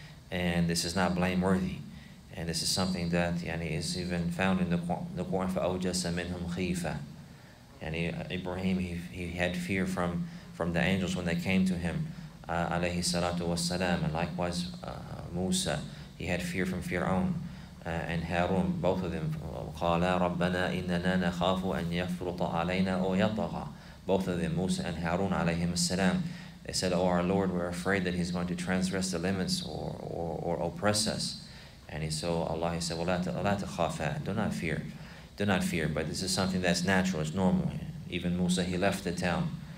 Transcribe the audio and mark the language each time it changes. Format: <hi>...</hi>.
<en>And this is not blameworthy. And this is something that is even found in the Quran,</en> <ar>فَأَوْجَسَ مِنْهُمْ خِيفًا.</ar> <en>And Ibrahim, he had fear from the angels when they came to him,</en> <ar>عَلَيْهِ السَّلَاةُ وَالسَّلَامُ.</ar> <en>And likewise, Musa, he had fear from Fir'aun. And Harun, both of them,</en> <ar>قَالَا رَبَّنَا إِنَّنَا نَخَافُ أَنْ يَفْرُطَ عَلَيْنَا أَوْ يَطَغَى.</ar> <en>Both of them, Musa and Harun alayhim as-salam, they said, "Oh, our Lord, we're afraid that he's going to transgress the limits or oppress us." And so Allah, he said,</en> <ar>وَلَا تَخَافَا.</ar> <en>Do not fear. But this is something that's natural, it's normal. Even Musa, he left the town.</en>